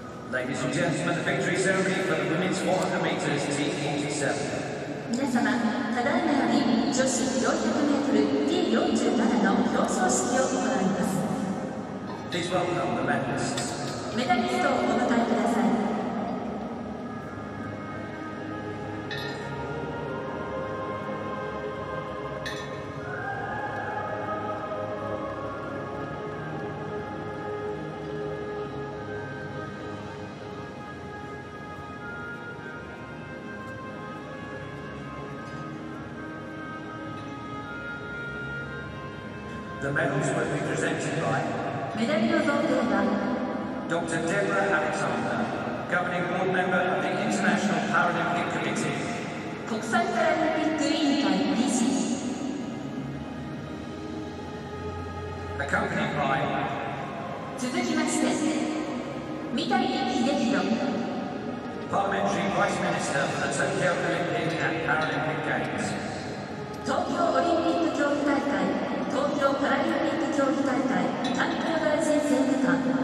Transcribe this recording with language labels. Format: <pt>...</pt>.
<en>Ladies and gentlemen, the victory ceremony for the women's 400 meters T47.</en> <ja>皆様、ただいまより女子400メートル T47 の表彰式を行います。</ja> <en>Please welcome the medalists.</en> <ja>メダリストをお迎えください。</ja> <en>The medals will be presented by</en> <ja>メダリオ贈呈は</ja> <en>Dr. Deborah Alexander, Governing Board Member of the International Paralympic Committee.</en> <ja>国際パラリンピック委員会理事。</ja> <en>Accompanied by.</en> <ja>続きまして、三谷秀樹の。</ja> <en>Parliamentary Vice Minister for the Tokyo Olympic and Paralympic Games.</en> <ja>東京オリンピック競技大会、東京パラリンピック競技大会担当大臣政務官。</ja>